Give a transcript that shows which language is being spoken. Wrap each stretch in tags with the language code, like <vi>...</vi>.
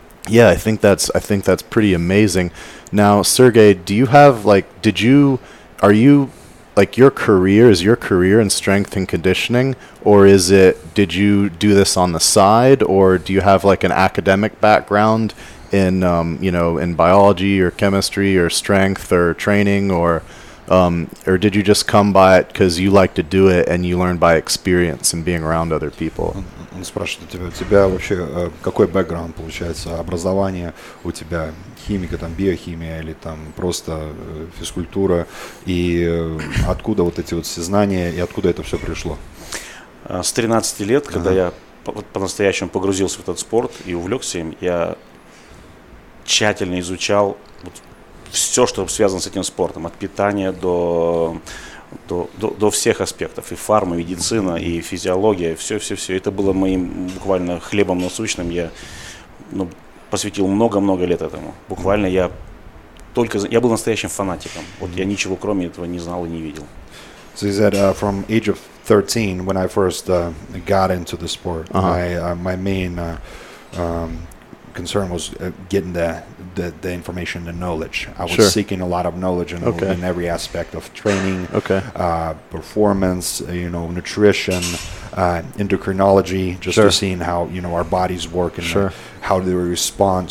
<en>Yeah, I think that's pretty amazing. Now, Sergey, do you have like is your career in strength and conditioning, or is it, did you do this on the side, or do you have like an academic background in in biology or chemistry or strength or training, or did you just come by it because you like to do it and you learn by experience and being around other people?</en> <ru>Он спрашивает у тебя вообще какой бэкграунд получается, образование у тебя, химика, там биохимия или там просто физкультура, и откуда вот эти вот все знания и откуда это все пришло? С 13 лет, когда я по-настоящему погрузился в этот спорт и увлекся им, я тщательно изучал вот все, что связано с этим спортом, от питания до всех аспектов, и фарма, и медицина, и физиология, все-все-все. Это было моим буквально хлебом насущным. Я посвятил много-много лет этому. Буквально я был настоящим фанатиком. Вот я ничего кроме этого не знал и не видел.</ru> <en>So you said from age of 13, when I first got into the sport, my main concern was getting the information, the knowledge. I was seeking a lot of knowledge in every aspect of training, performance, nutrition, endocrinology, just to seeing how our bodies work and how they respond.</en>